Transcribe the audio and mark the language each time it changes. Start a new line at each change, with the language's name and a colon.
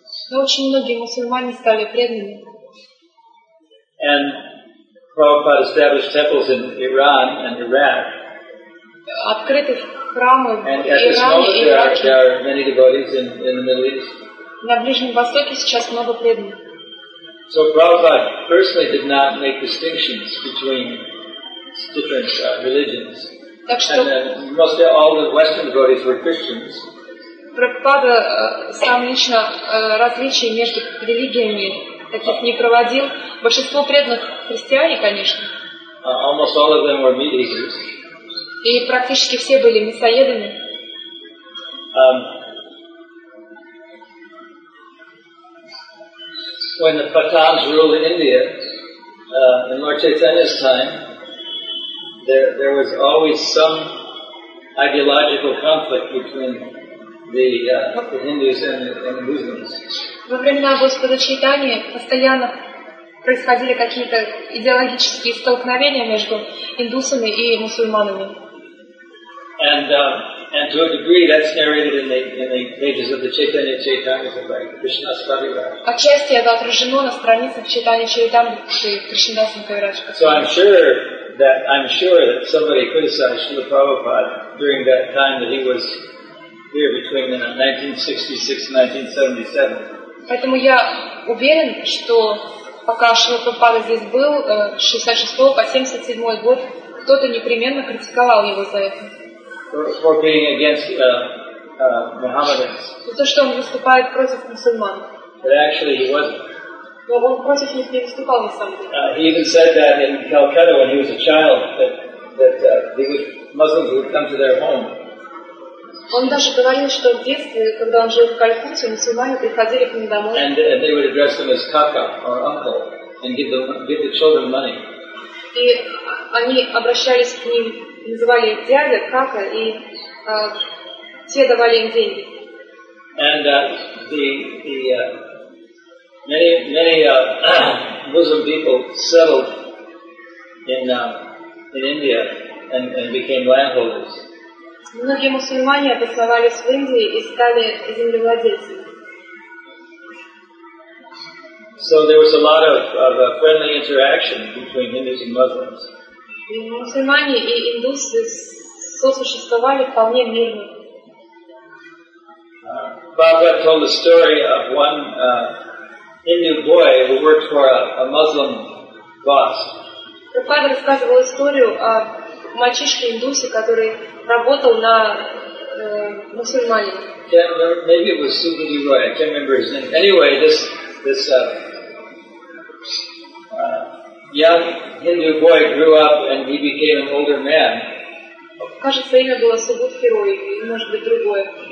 Russian: Но очень многие мусульмане стали преданными.
English: And Prabhupada established temples in Iran and Iraq.
Russian: Открытых храмов в Иране и Ираке.
English: There are many devotees in the Middle East.
Russian: На Ближнем Востоке сейчас много преданных.
English: So Prabhupada personally did not make distinctions between different religions.
Russian: Так что
English: mostly all the Western devotees were Christians.
Russian: Прабхупада сам лично различий между религиями таких не проводил. Большинство преданных христиане, конечно.
English: Almost all of them were meat eaters.
Russian: И практически все были мясоедами.
English: When the Pathans ruled in India, in Lord Chaitanya's time, there was always some ideological conflict between the Hindus and the Muslims.
Russian: Во времена Господа Чайтаньи постоянно происходили какие-то идеологические столкновения между индусами и мусульманами.
English: And to a degree, that's narrated in the pages of the Chaitanya Charitamrita by Krishna Kaviraj.
Russian: Отчасти это отражено на страницах Чайтанья Чаритамриты Кришнадаса Кавираджа.
English: So I'm sure that somebody criticized Srila Prabhupada during that time that he was here between 1966 and 1977.
Russian: Поэтому я уверен, что пока Шрила Прабхупада здесь был, 66 по 77 год, кто-то непременно критиковал его за это.
English: For being against Mohammedans. For
Russian: то, что он выступает против мусульман.
English: But actually, he wasn't.
Russian: Но он против них не выступал на самом деле.
English: He even said that in Calcutta when he was a child that Muslims would come to their home.
Russian: Он даже говорил, что в детстве, когда он жил в Калькутте, мусульмане приходили к нему домой.
English: And they would address them as kaka or uncle and give the children money.
Russian: И они обращались к ним. Называли их дядя, кака, и те давали им деньги.
English: And many Muslim people settled in India and became landholders.
Russian: Многие мусульмане обосновались в Индии и стали землевладельцами.
English: So there was a lot of friendly interaction between Hindus and Muslims.
Russian: И мусульмане и индусы сосуществовали вполне мирно.
English: Бхагавад told the story of one Hindu boy who worked for a Muslim boss.
Russian: Бхагавад рассказывал историю о мальчишке индусе, который работал на мусульмане.
English: Maybe it was Sudhir Roy. I can't remember his name. Anyway, this young Hindu boy grew up and he became an older man.
Russian: Кажется, имя было Субудхиро, может быть другое.